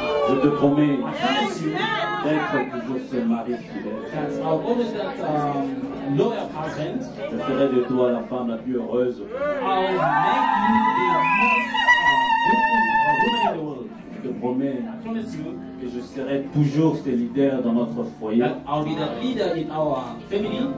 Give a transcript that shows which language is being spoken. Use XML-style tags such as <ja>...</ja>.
<fr>Je te promets, d'être toujours ce mari fidèle.</fr> <en>That loyal husband.</en> <fr>Je ferai de toi la femme la plus heureuse.</fr> <en>I'll make you the most beautiful woman in the world.</en> <fr>Je te promets</fr> <en>you,</en> <fr>que je serai toujours ce leader dans notre foyer.</fr> <en>That I'll be the leader in our family.</en>